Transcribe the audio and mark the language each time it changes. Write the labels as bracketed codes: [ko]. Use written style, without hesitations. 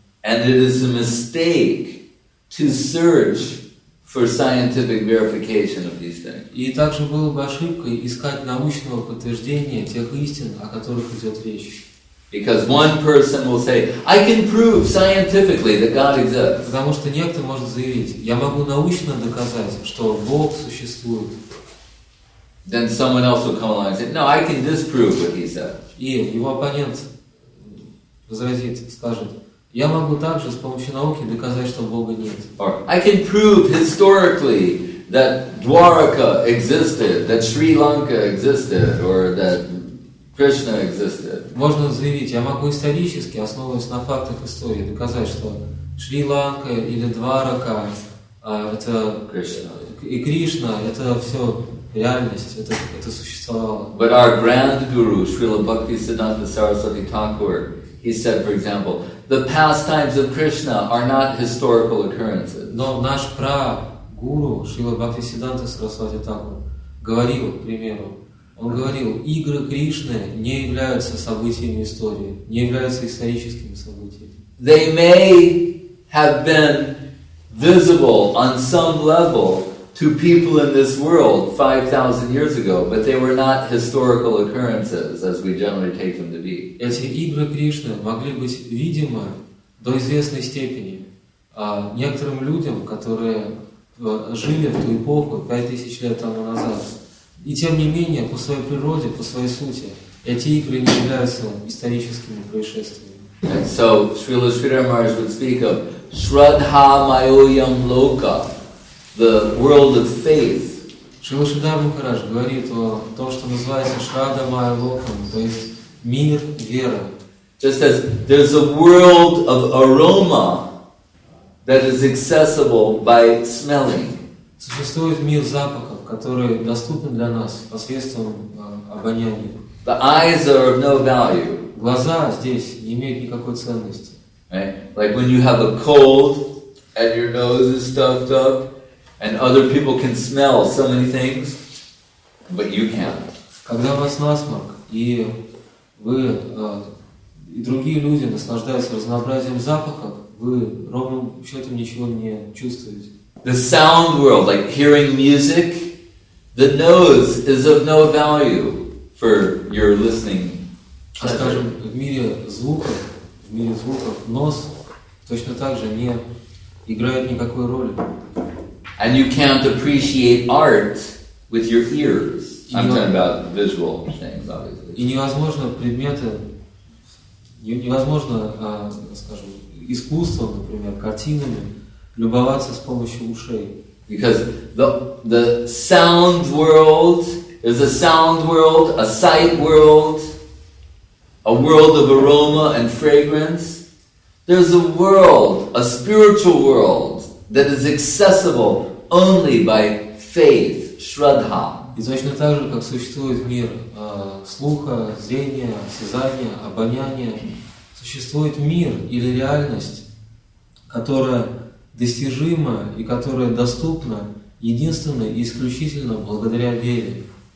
[en] And it is a mistake to search for scientific verification of these things. [ru] И также было бы ошибкой искать научного подтверждения тех истин, о которых идет речь. [en] Because one person will say, "I can prove scientifically that God exists." [ru] Потому что некто может заявить, я могу научно доказать, что Бог существует. [en] Then someone else will come along and say, "No, I can disprove what he said." [ru] И его оппонент возразит, скажет. Я могу также с помощью науки доказать, что Бога нет. [en] Or, I can prove historically that Dwaraka existed, that Sri Lanka existed, or that Krishna existed. [ru] Можно заявить, я могу исторически, основываясь на фактах истории, доказать, что Шри-Ланка или Дварака это [en] Krishna. [ru] И Кришна это все реальность, это существовало. [en] But our grand guru, Srila Bhakti Siddhanta Saraswati Thakur, he said, for example, the pastimes of Krishna are not historical occurrences. [ru] Но наш прагуру Шрила Бхактисиддханта Сарасвати Тхакур говорил, к примеру, он говорил, игры Кришны не являются событиями истории, не являются историческими событиями. [en] They may have been visible on some level to people in this world 5,000 years ago, but they were not historical occurrences as we generally take them to be. [ru] Эти игры Кришны могли быть видимы до известной степени некоторым людям, которые жили в ту эпоху 5000 лет тому назад. И тем не менее, по своей природе, по своей сути, эти игры не являются историческими происшествиями. [en] And so, Srila Sridhar Maharaj would speak of Shraddha Mayoyam Loka, the world of faith. [ru] Шрила Шридхар Махарадж говорит о том, что называется Шрадда Майя Локам, то есть мир веры. [en] Just as there's a world of aroma that is accessible by smelling. [ru] Существует мир запахов, который доступен для нас посредством обоняния. [en] The eyes are of no value. [ru] Глаза здесь не имеют никакой ценности. [en] Right? Like when you have a cold and your nose is stuffed up and other people can smell so many things, but you can't. [ru] Когда у вас насморк и вы и другие люди наслаждаются разнообразием запахов, вы ровным счетом ничего не чувствуете. [en] The sound world, like hearing music, the nose is of no value for your listening. [ru] А скажем, в мире звуков нос точно так же не играет никакой роли. [en] And you can't appreciate art with your ears. I'm talking about visual things, obviously. [ru] И невозможно предметы, невозможно, скажем, искусством, например, картинами, любоваться с помощью ушей. [en] Because the sound world is a sound world, a sight world, a world of aroma and fragrance. There's a world, a spiritual world, that is accessible only by faith, Shraddha. [ru] И точно так же, как существует мир слуха, зрения, осязания, обоняния, существует мир или реальность, которая достижима и которая доступна единственно и исключительно благодаря вере.